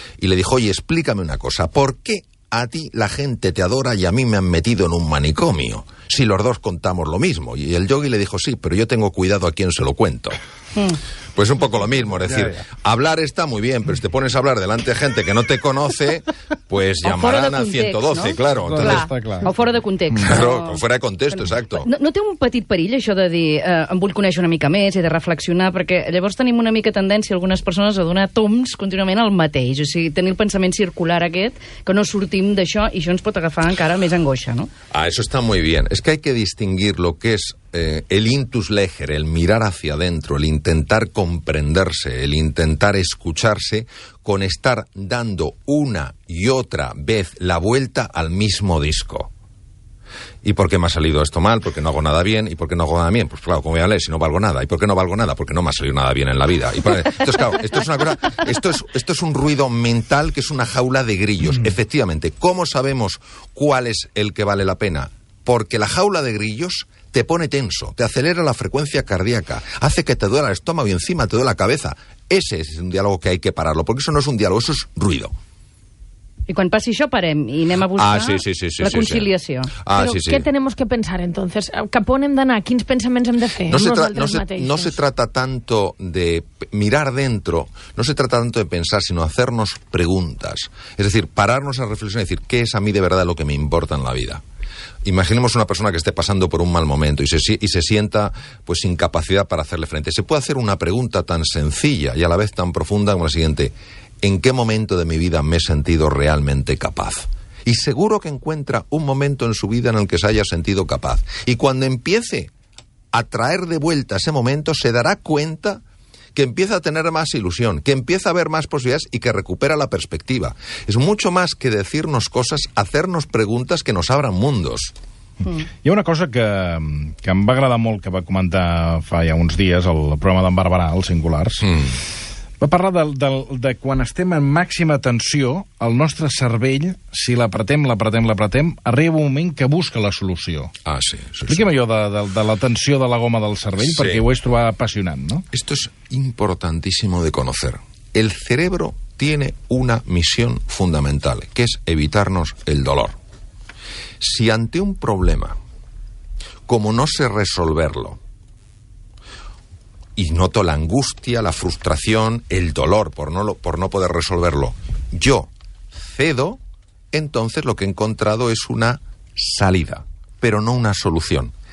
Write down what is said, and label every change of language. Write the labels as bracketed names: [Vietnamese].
[Spanish] Y le dijo, oye, explícame una cosa, ¿por qué a ti la gente te adora y a mí me han metido en un manicomio, si los dos contamos lo mismo? Y el yogui le dijo, sí, pero yo tengo cuidado a quién se lo cuento. Pues un poco lo mismo, es decir, ya. Hablar está muy bien, pero si te pones a hablar delante de gente que no te conoce, pues llamarán al 112, ¿no? Claro. [Catalan] Entonces, clar, está clar. O fora de context. [Spanish] Claro, [Catalan] o fora de [Spanish] contexto, exacto. [Catalan] No té un petit perill això de dir, em vull conèixer una mica més i de reflexionar, perquè llavors tenim una mica tendència, algunes persones, a donar tombs contínuament al mateix, o sigui, tenir el pensament circular aquest, que no sortim d'això, i això ens pot agafar encara més angoixa, no? [Spanish] Ah, eso está muy bien. Es que hay que distinguir lo que es el intus legere, el mirar hacia adentro, el intentar comprenderse, el intentar escucharse, con estar dando una y otra vez la vuelta al mismo disco. ¿Y por qué me ha salido esto mal? Porque no hago nada bien. ¿Y por qué no hago nada bien? Pues claro, ¿cómo voy a leer si no valgo nada? ¿Y por qué no valgo nada? Porque no me ha salido nada bien en la vida. Entonces, claro, esto es una cosa. Esto es un ruido mental que es una jaula de grillos. Efectivamente, ¿cómo sabemos cuál es el que vale la pena? Porque la jaula de grillos te pone tenso, te acelera la frecuencia cardíaca, hace que te duela el estómago y encima te duele la cabeza. Ese es un diálogo que hay que pararlo, porque eso no es un diálogo, eso es ruido. [Catalan] I quan passi això, parem i anem a buscar sí, la conciliació. Sí, sí. Ah, però sí, sí. Què tenem que pensar, entonces? Cap on hem d'anar? Quins pensaments hem de fer nosaltres mateixos? [Spanish] No se trata tanto de mirar dentro, no se trata tanto de pensar, sino hacernos preguntas. Es decir, pararnos a reflexionar y decir, ¿qué es a mí de verdad lo que me importa en la vida? Imaginemos una persona que esté pasando por un mal momento y se sienta pues sin capacidad para hacerle frente. Se puede hacer una pregunta tan sencilla y a la vez tan profunda como la siguiente: ¿en qué momento de mi vida me he sentido realmente capaz? Y seguro que encuentra un momento en su vida en el que se haya sentido capaz. Y cuando empiece a traer de vuelta ese momento, se dará cuenta que empieza a tener más ilusión, que empieza a ver más posibilidades y que recupera la perspectiva. Es mucho más que decirnos cosas, hacernos preguntas que nos abran mundos. [Catalan] Hi ha una cosa que em va agradar molt, que va comentar fa ja uns dies el programa d'en Barberà, els Singulars. Va parlar de quan estem en màxima tensió, el nostre cervell, si l'apretem, arriba un moment que busca la solució. Ah, sí. Sí, expliquem sí. Allò de la tensió de la goma del cervell, sí. Perquè ho he trobat apassionant, no? [Spanish] Esto es importantísimo de conocer. El cerebro tiene una misión fundamental, que es evitarnos el dolor. Si ante un problema, como no sé resolverlo, y noto la angustia, la frustración, el dolor por no poder resolverlo, yo cedo, entonces lo que he encontrado es una salida, pero no una solución.